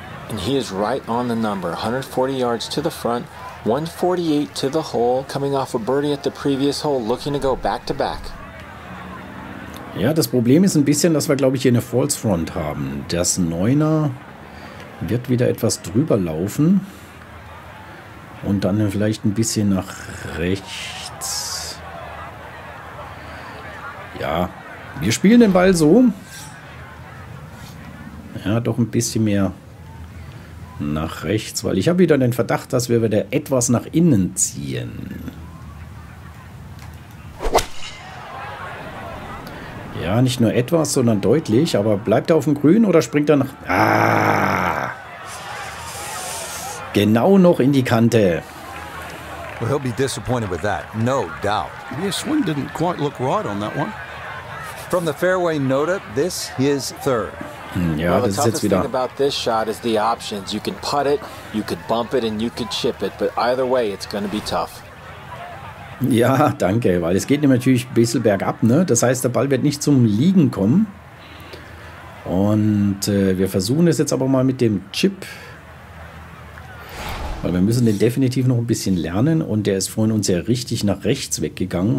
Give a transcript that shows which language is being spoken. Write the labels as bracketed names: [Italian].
[English] And he is right on the number, 140 yards to the front, 148 to the hole, coming off a birdie at the previous hole, looking to go back to back. [German] Ja, das Problem ist ein bisschen, dass wir, glaube ich, hier eine False Front haben. Das Neuner wird wieder etwas drüber laufen. Und dann vielleicht ein bisschen nach rechts. Ja, wir spielen den Ball so. Ja, doch ein bisschen mehr nach rechts, weil ich habe wieder den Verdacht, dass wir wieder etwas nach innen ziehen. Ja, nicht nur etwas, sondern deutlich. Aber bleibt er auf dem Grün oder springt er nach... Ah! Genau noch in die Kante. [English] Well, he'll be disappointed with that, no doubt. Your swing didn't quite look right on that one. From the fairway, Noda, this is third. Ja, well, [German] das ist jetzt wieder. [English] The thing about this shot is the options. You can putt it, you could bump it and you could chip it, but either way it's going to be tough. [German] Ja, danke, weil es geht natürlich ein bisschen bergab, ne? Das heißt, der Ball wird nicht zum Liegen kommen. Und wir versuchen es jetzt aber mal mit dem Chip. Weil wir müssen den definitiv noch ein bisschen lernen und der ist vorhin uns ja richtig nach rechts weggegangen.